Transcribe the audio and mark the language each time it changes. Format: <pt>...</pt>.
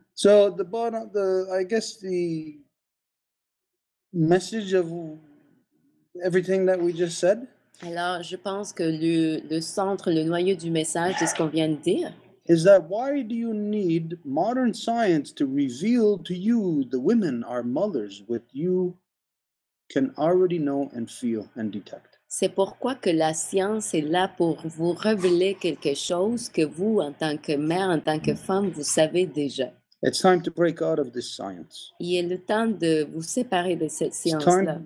<en>So the bottom, the message of everything that we just said.</en> <fr>Alors, je pense que le centre, le noyau du message, c'est ce qu'on vient de dire.</fr> <en>Is that why do you need modern science to reveal to you the women are mothers with you? Can already know and feel and detect.</en> <fr>C'est pourquoi que la science est là pour vous révéler quelque chose que vous, en tant que mère, en tant que femme, vous savez déjà.</fr> <en>It's time to break out of this science.</en> <fr>Il est le temps de vous séparer de cette science-là.</fr>